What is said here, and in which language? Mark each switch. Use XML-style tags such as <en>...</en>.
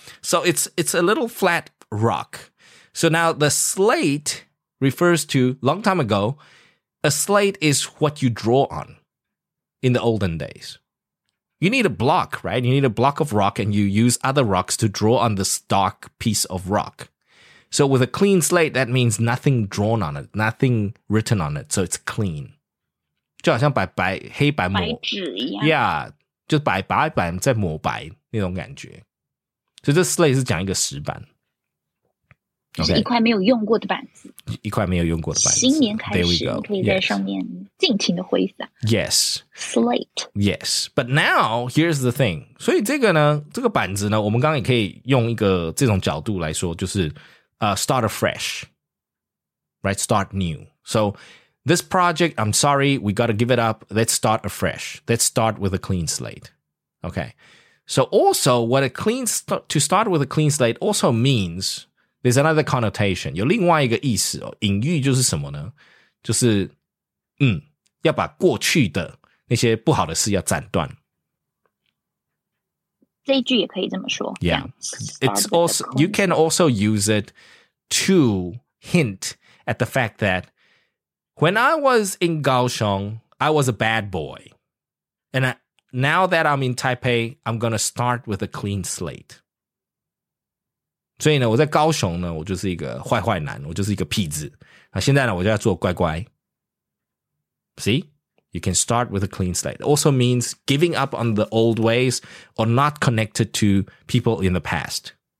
<en>So it's a little flat rock. So now the slate refers to, long time ago, a slate is what you draw on in the olden days. You need a block, right? You need a block of rock, and you use other rocks to draw on this dark piece of rock. So with a clean slate, that means nothing drawn on it, nothing written on it. So it's clean.</en> <zh>就好像黑白抹。白纸一样。 Yeah, 就白白白再抹白那种感觉。所以这 slate 是讲一个石板。</zh> <en>Okay.</en> <zh>就是一块没有用过的板子，一块没有用过的板子。新年开始，你可以在上面尽情的挥洒。</zh> <en>Yes, slate. Yes, but now here's the thing.</en> <zh>所以这个呢，这个板子呢，我们刚刚也可以用一个这种角度来说，就是</zh> <en>start afresh, right? Start new. So this project, I'm sorry, we got to give it up. Let's start afresh. Let's start with a clean slate. Okay. So also, what a clean to start with a clean slate also means. There's another connotation.</en> <zh>有另外一个意思哦，隐喻就是什么呢？就是，要把过去的那些不好的事要斩断。这一句也可以这么说。</zh> <en>Yeah, it's also you can also use it to hint at the fact that when I was in Kaohsiung, I was a bad boy, and now that I'm in Taipei, I'm gonna start with a clean slate.</en> <zh>所以呢，我在高雄呢，我就是一个坏坏男，我就是一个痞子。那现在呢，我就要做乖乖。</zh> <en>See, you can start with a clean slate. It also means giving up on the old ways or not connected to people in the past.</en>